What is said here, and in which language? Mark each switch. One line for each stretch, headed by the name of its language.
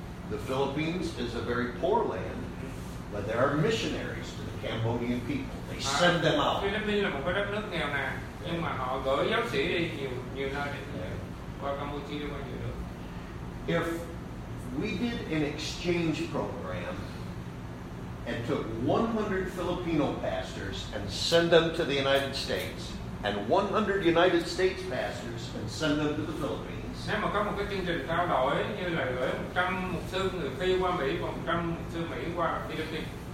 English: The Philippines is a very poor land, but there are missionaries to the Cambodian people. They send them out.
Vietnamese: Philippines là một cái đất nước nghèo nè, nhưng mà họ gửi giáo sĩ đi nhiều nơi để
English: If we did an exchange program and took 100 Filipino pastors and send them to the United States, and 100 United States pastors and send them to the Philippines,
Vietnamese: nếu mà có một cái chương trình trao đổi như là gửi 100 mục sư người Phi qua Mỹ và 100 mục sư Mỹ qua Philippines,